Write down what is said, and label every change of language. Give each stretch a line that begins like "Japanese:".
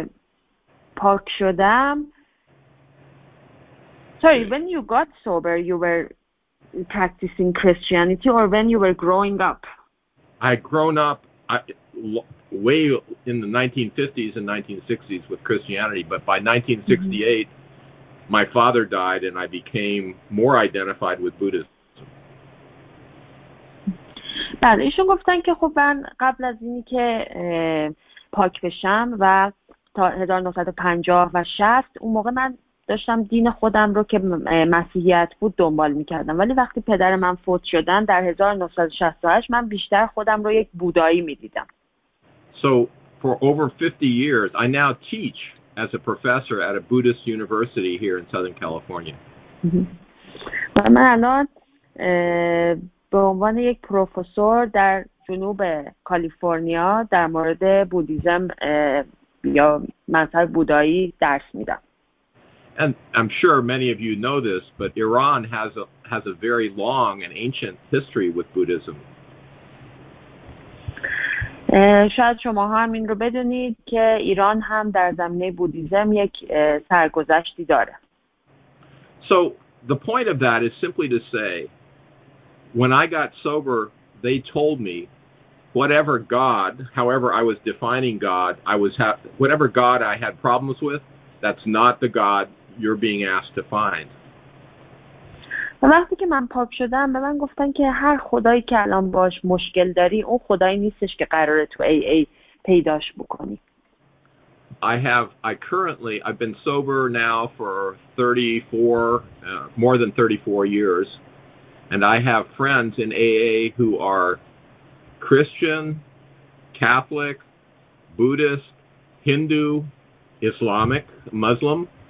Persian: وقتی من پاک شدم
English: Sorry, when you got sober, you were practicing Christianity or when you were growing up? I grown up way in the 1950s and 1960s with Christianity, but by 1968, mm-hmm. my father died and I became more identified with Buddhism.
Persian: بله، ایشون گفتن که خب من قبل از اینی که پاک بشم و تا 1950 و 60 اون موقع من داشتم دین خودم رو که مسیحیت بود دنبال میکردم، ولی وقتی پدر من فوت شدن در 1968 من بیشتر خودم رو یک بودایی میدیدم.
English: So for over 50 years I now teach as a professor at a Buddhist university here in Southern California.
Persian: و من الان به عنوان یک پروفسور در جنوب کالیفرنیا در مورد بودیزم یا مذهب بودایی درس میدم.
English: And I'm sure many of you know this, but Iran has a very long and ancient history with Buddhism.
Persian: شاید شما هم این رو بدونید که ایران هم در زمینه بودیزم یک سرگذشتی داره.
English: So the point of that is simply to say, when I got sober, they told me whatever God, however I was defining God, I was whatever God I had problems with, that's not the God you're being asked to find.
Persian: وقتی که من پاک شدم به من گفتن که هر خدایی که الان باش مشکل داری اون خدایی نیستش که قراره تو ای ای پیداش بکنی.
English: I've been sober now for 34, more than 34 years, and I have friends in AA who are Christian, Catholic, Buddhist, Hindu, Islamic, Muslim.